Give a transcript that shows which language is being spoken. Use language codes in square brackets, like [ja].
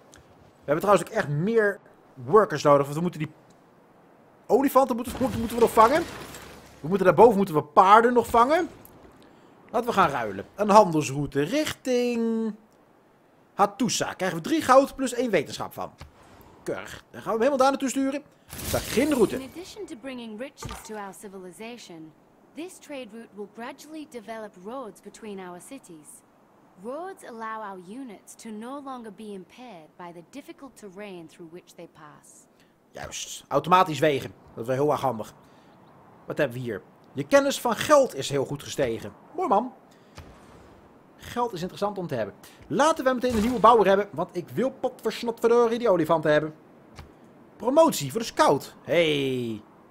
[nl] We hebben trouwens ook echt meer workers nodig. Want we moeten die olifanten moeten we nog vangen. We moeten daarboven moeten we paarden nog vangen. Laten we gaan ruilen. Een handelsroute richting Hattusa. Krijgen we 3 goud plus 1 wetenschap van. Keurig. Dan gaan we hem helemaal daar naartoe sturen. Beginroute. [en] In addition to bringing riches to our civilization, this trade route will gradually develop roads between our cities. Roads allow our units to no longer be impaired by the difficult terrain through which they pass. [nl] Juist. Automatisch wegen. Dat is wel heel erg handig. Wat hebben we hier? Je kennis van geld is heel goed gestegen. Mooi man. Geld is interessant om te hebben. Laten we meteen een nieuwe bouwer hebben, want ik wil potversnotverdorie die olifanten hebben. Promotie voor de scout. Hey.